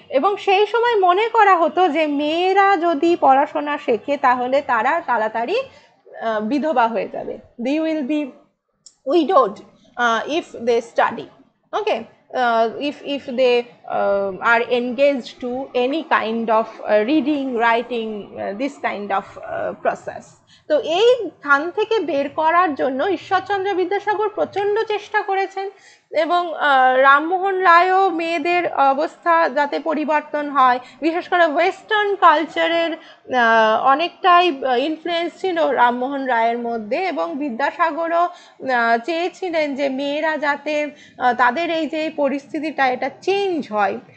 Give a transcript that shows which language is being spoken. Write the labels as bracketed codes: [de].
[bn] এবং সেই সময় মনে করা হতো যে মেয়েরা যদি পড়াশোনা শেখে তাহলে তারা তাড়াতাড়ি বিধবা হয়ে যাবে, [en] the will be widowed if they [bn] study, okay, if if they [en] are engaged to any kind of reading, writing, this kind of process. [bn] তো এই স্থান থেকে বের করার জন্য ঈশ্বরচন্দ্র বিদ্যাসাগর প্রচণ্ড চেষ্টা করেছেন এবং রামমোহন রায়ও মেয়েদের অবস্থা যাতে পরিবর্তন হয়, বিশেষ করে ওয়েস্টার্ন কালচারের অনেকটাই ইনফ্লুয়েন্স ছিল রামমোহন রায়ের মধ্যে, এবং বিদ্যাসাগরও চেয়েছিলেন যে মেয়েরা যাতে তাদের এই যে পরিস্থিতিটা এটা চেঞ্জ হয়।